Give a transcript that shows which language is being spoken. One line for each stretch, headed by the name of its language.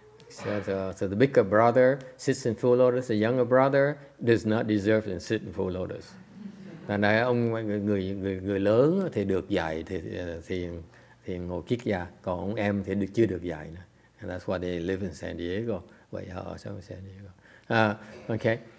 English: So the bigger brother sits in full lotus. The younger brother does not deserve to sit in full lotus.
Vietnamese: Thành ra ông người lớn thì được dạy thì ngồi kiết già, còn ông em thì được chưa được dạy nữa.
English: And that's why they live in San Diego.
Vietnamese: Vậy họ ở trong San Diego.
English: Okay.